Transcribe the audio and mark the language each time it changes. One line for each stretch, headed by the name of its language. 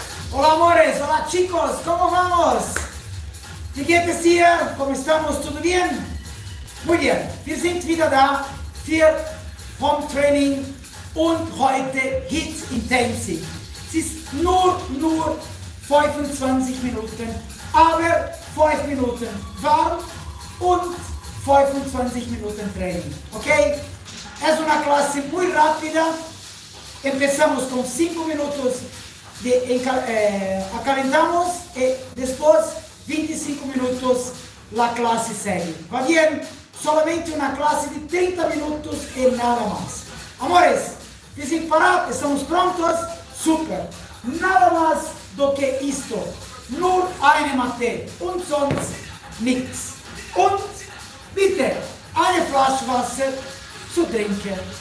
Spanish: Hola amore, hola chicos, ¿cómo vamos? ¿Qué quieres decir? ¿Cómo estamos? ¿Todo bien? Muy bien,
German: wir sind wieder da für Home Training und heute HIIT Intensiv. Es ist nur 25 Minuten, aber 5 Minuten warm und 25 Minuten Training.
Spanish: Okay? Es una clase muy rápida. Empezamos con 5 minutos de acalentamos y después 25 minutos la clase serie. ¿Va bien? Solamente una clase de 30 minutos y nada más. Amores, ¿están preparados? ¿Estamos prontos? Super. Nada más do que esto.
German: Nur eine Matte und sonst nichts. Und bitte eine Flasche Wasser zu trinken.